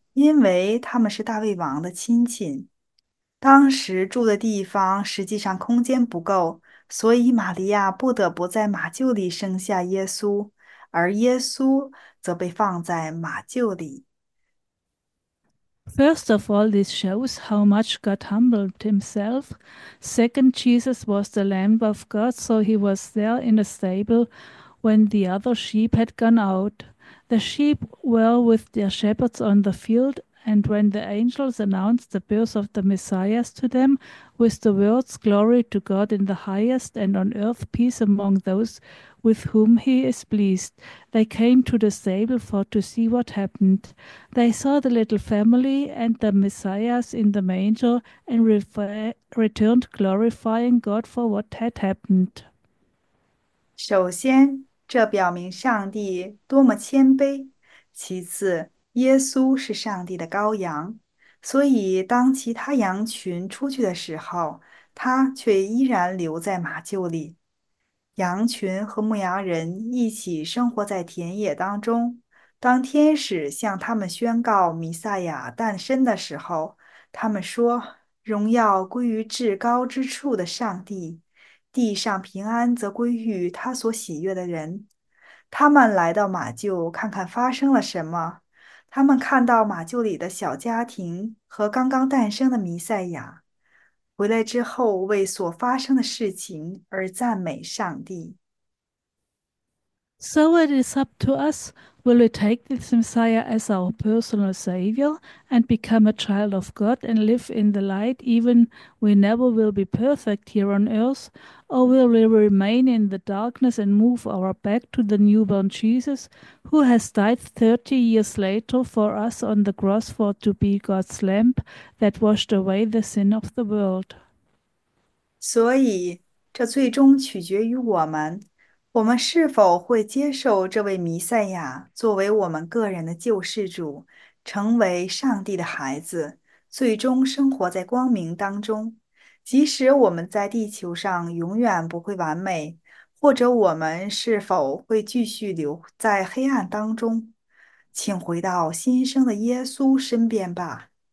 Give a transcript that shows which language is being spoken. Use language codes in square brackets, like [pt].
[zh] 因为他们是大卫王的亲戚，当时住的地方实际上空间不够，所以玛利亚不得不在马厩里生下耶稣，而耶稣则被放在马厩里。 [en] First of all, this shows how much God humbled himself. Second, Jesus was the Lamb of God, so he was there in the stable when the other sheep had gone out. The sheep were with their shepherds on the field, and when the angels announced the birth of the Messiah to them, with the words, "Glory to God in the highest, and on earth peace among those with whom he is pleased," they came to the stable for to see what happened. They saw the little family and the Messiahs in the manger and returned glorifying God for what had happened. [zh] 首先，这表明上帝多么谦卑；其次，耶稣是上帝的羔羊，所以当其他羊群出去的时候，他却依然留在马厩里。羊群和牧羊人一起生活在田野当中。当天使向他们宣告弥赛亚诞生的时候，他们说：“荣耀归于至高之处的上帝。” 地上平安则归于他所喜悦的人。他们来到马厩，看看发生了什么。他们看到马厩里的小家庭和刚刚诞生的弥赛亚。回来之后为所发生的事情而赞美上帝。 [en] So it is up to us. Will we take this Messiah as our personal savior and become a child of God and live in the light, even we never will be perfect here on earth? Or will we remain in the darkness and move our back to the newborn Jesus, who has died 30 years later for us on the cross for to be God's lamp that washed away the sin of the world? [zh] 所以，这最终取决于我们，我们是否会接受这位弥赛亚作为我们个人的救世主，成为上帝的孩子，最终生活在光明当中。即使我们在地球上永远不会完美，或者我们是否会继续留在黑暗当中，请回到新生的耶稣身边吧。